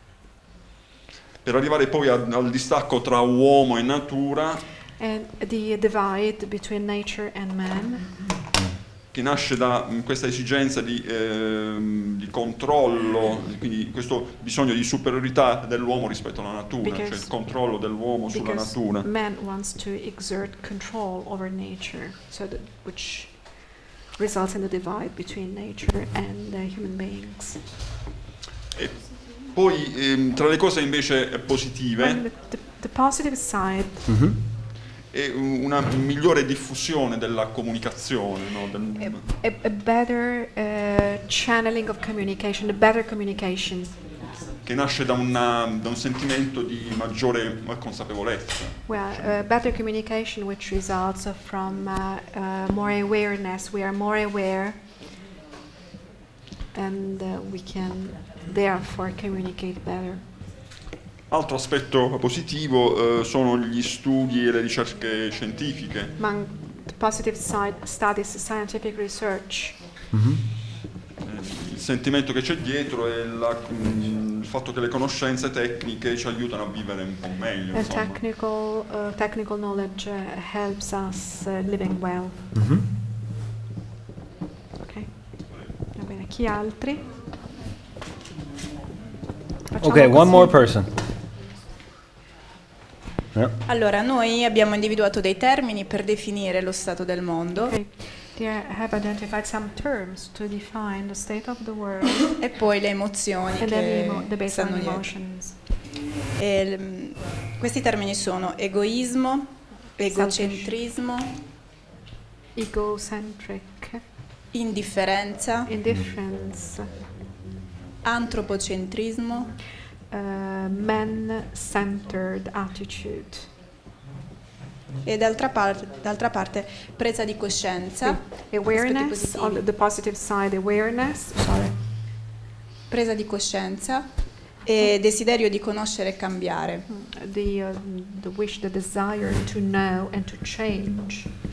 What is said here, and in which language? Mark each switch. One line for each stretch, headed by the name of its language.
Italian: Okay. Per arrivare poi al distacco tra uomo e natura.
English: And the divide between nature and man.
Italian: Che nasce da questa esigenza di controllo, quindi questo bisogno di superiorità dell'uomo rispetto alla natura,
English: because,
Italian: cioè il controllo dell'uomo sulla natura.
English: Man wants to exert control over nature, so that which results in the divide between nature and the human beings.
Italian: E poi tra le cose invece positive.
English: The positive side.
Italian: Mm-hmm. E una migliore diffusione della comunicazione, no?
English: A better channeling of communication, a better communication.
Italian: Che nasce da un sentimento di maggiore consapevolezza.
English: Well, better communication which results from more awareness. We are more aware and we can therefore communicate better.
Italian: Altro aspetto positivo sono gli studi e le ricerche scientifiche.
English: Among the positive side studies, scientific research. Mm-hmm.
Italian: Il sentimento che c'è dietro è il fatto che le conoscenze tecniche ci aiutano a vivere un po' meglio.
English: The technical knowledge helps us living well. Mm-hmm.
Italian: Okay. Va bene, chi altri? Facciamo
English: okay, one more person. Yeah.
Italian: Allora, noi abbiamo individuato dei termini per definire lo stato del mondo. Okay.
English: We have identified some terms to define the state of the world.
Italian: E poi le emozioni che stanno dietro. Questi termini sono egoismo, egocentrismo,
English: egocentric,
Italian: indifferenza,
English: indifference,
Italian: antropocentrismo.
English: Man-centered attitude.
Italian: E d'altra parte presa di coscienza.
English: Awareness on the positive side, awareness. Sorry.
Italian: Presa di coscienza e desiderio di conoscere e cambiare.
English: The wish, the desire to know and to change.